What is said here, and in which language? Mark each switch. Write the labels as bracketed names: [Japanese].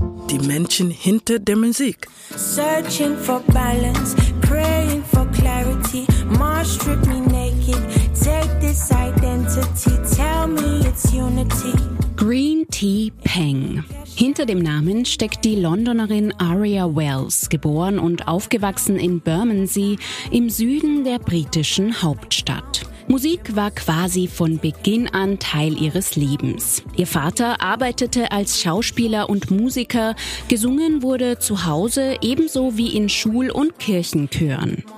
[German] Die Menschen hinter der Musik. [English] Searching for balance, praying for clarity. Marsh, strip me naked. Take this identity, tell me it's unity. Green Tea Peng. [German] Hinter dem Namen steckt die Londonerin Aria Wells, geboren und aufgewachsen in Bermondsey im Süden der britischen Hauptstadt. Musik war quasi von Beginn an Teil ihres Lebens. Ihr Vater arbeitete als Schauspieler und Musiker, gesungen wurde zu Hause ebenso wie in Schul- und Kirchenchören.